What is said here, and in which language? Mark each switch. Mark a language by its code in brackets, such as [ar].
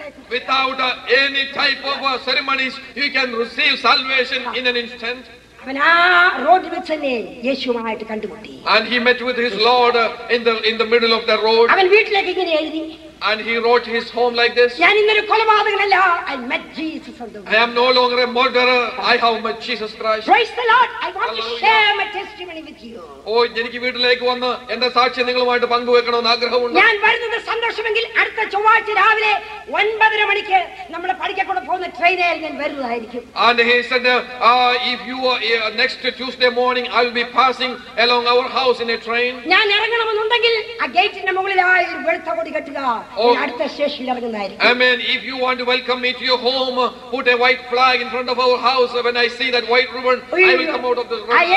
[en] without any type of ceremonies you can receive salvation in an instant. [ml] അവനാ റോഡിൽ വെച്ച് തന്നെ യേശുവുമായിട്ട് കണ്ടുമുട്ടി. [en] And he met with his Lord in the middle of the road. [ml] അവൻ വീട്ടിലേക്ക് ഇങ്ങനെ എഴുതി. [en] And he wrote his home like this. [ml] ഞാൻ ഇന്നൊരു കൊലപാതകനല്ല, [en] I met Jesus on the way. I am no longer a murderer, I have met Jesus Christ. Praise the Lord. I want to share my testimony with you. [ml] ഓ, എനിക്ക് വീട്ടിലേക്ക് വന്ന് എന്റെ സാക്ഷ്യം നിങ്ങളുമായിട്ട് പങ്കുവെക്കണമെന്ന് ആഗ്രഹമുണ്ട്. ഞാൻ വരുന്നത് സന്തോഷമെങ്കിൽ അടുത്ത ചൊവ്വാഴ്ച രാവിലെ 9:30 നമ്മൾ പഠിക്കക്കൂടെ പോകുന്ന ട്രെയിനിൽ ഞാൻ വരുന്നതായിരിക്കും. [en] And he said, if you are next Tuesday morning, I will be passing along our house in a train. [ml] ഞാൻ ഇറങ്ങണമെന്നുണ്ടെങ്കിൽ ആ ഗേറ്റിന്റെ മുകളിൽ ആയി ഒരു വെളുത്ത കൊടി കെട്ടുക. [en] Amen. If you want to welcome me to your home, put a white flag in front of our house. When I see that white ribbon, I will come out of this room.